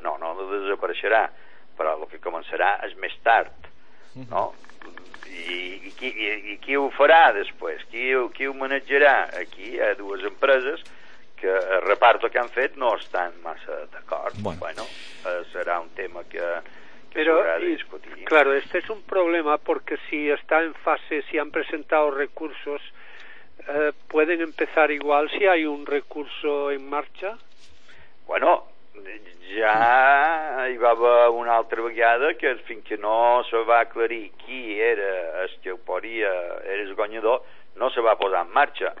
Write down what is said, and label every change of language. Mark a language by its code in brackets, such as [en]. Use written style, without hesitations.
[ca] No desapareixerà, però el que començarà és més tard, no? I qui ho farà després? Qui ho manejarà? Aquí hi ha dues empreses que el reparto que han fet no estan massa d'acord. Bueno, serà un tema que s'haurà de discutir. [es] Claro, este es un problema, porque si está en fase, si han presentado recursos, ¿pueden empezar igual si hay un recurso en marcha? [ca] Bueno, ja hi va haver una altra vegada que fins que no se va aclarir qui era el que ho podia, era el guanyador, no se va posar en marxa.